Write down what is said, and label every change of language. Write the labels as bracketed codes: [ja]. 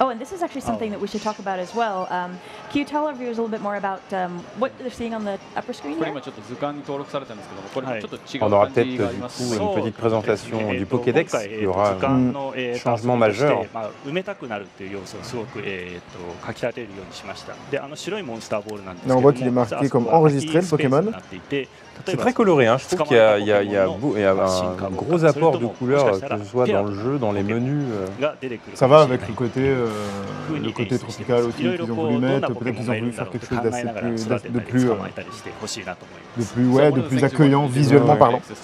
[en] Oh, and this is actually something that we should talk about as well. Can you tell our viewers a little bit more about what they're seeing on the upper screen? Pretty much, the [ja] 図鑑に登録されてるんですけども、これちょっと違う感じがあります。 [fr] On aura peut-être du coup une petite présentation du Pokédex. Il y aura un changement majeur. [ja] 埋めたくなるっていう要素をすごく書き立てるようにしました。で、あの白いモンスターボールなんですけども、 [fr] on voit qu'il est marqué comme enregistré le Pokémon. C'est très coloré, hein. Je trouve qu'il y a un gros apport de couleurs, que ce soit dans le jeu, dans les menus. Ça va avec le côté tropical aussi qu'ils ont voulu mettre. Peut-être qu'ils ont voulu faire quelque chose d'assez plus, de plus accueillant visuellement parlant.